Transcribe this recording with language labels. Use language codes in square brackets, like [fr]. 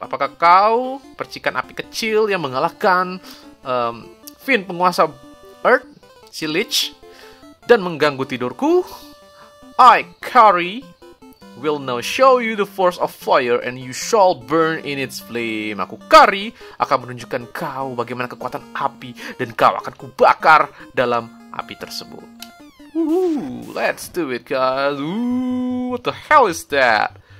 [id] Apakah kau, percikan api kecil yang mengalahkan fiend penguasa earth, si Lich, dan mengganggu tidurku? [en] I, Kari, will now show you the force of fire and you shall burn in its flame. [id] Aku, Kari, akan menunjukkan kau bagaimana kekuatan api dan kau akan kubakar dalam api tersebut. [en] Woohoo, let's do it, guys. Ooh, what the hell is that?